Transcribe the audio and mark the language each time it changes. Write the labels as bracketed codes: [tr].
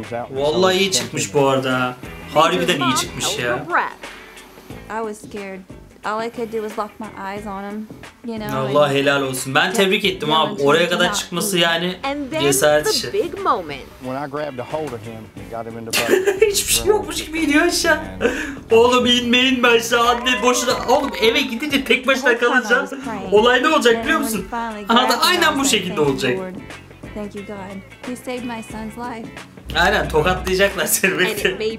[tr] Vallahi iyi çıkmış bu arada. Harbiden iyi çıkmış ya. [en] I was scared. All I could do was lock my eyes on him. You know. [tr] Allah helal olsun. Ben tebrik ettim abi. Oraya kadar çıkması yani cesaret işi. [en] When I grabbed a hold of him, got him in the bucket. [tr] Hiçbir şey yokmuş gibi iniyor aşağı. Oğlum inme inme aşağı. Anne boşuna. Oğlum eve gidince tek başına kalacağız. Olay ne olacak biliyor musun? Aha da aynen bu şekilde olacak. [en] Thank you God. You saved my son's life. [tr] Aynen tokatlayacaklar seni belki.